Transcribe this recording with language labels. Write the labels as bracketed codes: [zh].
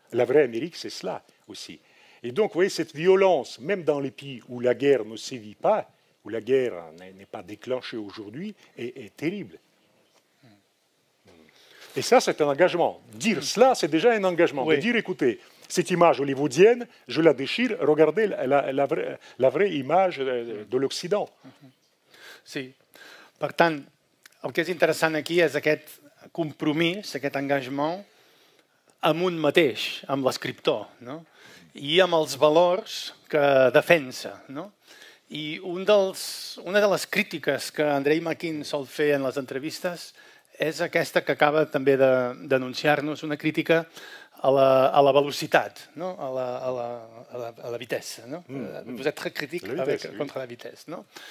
[fr] La vraie Amérique, c'est cela aussi. Et donc, vous voyez, cette violence, même dans les pays où la guerre ne sévit pas, où la guerre n'est pas déclenchée aujourd'hui, est terrible. Et ça, c'est un engagement. Dire cela, c'est déjà un engagement. Oui. De dire, écoutez, cette image hollywoodienne, je la déchire, regardez la vraie image de l'Occident. [ca] Sí. Per tant, el que és interessant aquí és aquest compromís, aquest engagement amb un mateix, amb l'escriptor, no? I amb els valors que defensa, no? I una de les crítiques que Andrei Makin sol fer en les entrevistes és aquesta que acaba també de denunciar-nos, una crítica a la velocitat, no? [fr] A la vitesse, no? Vous êtes très critique avec, contre la vitesse, no?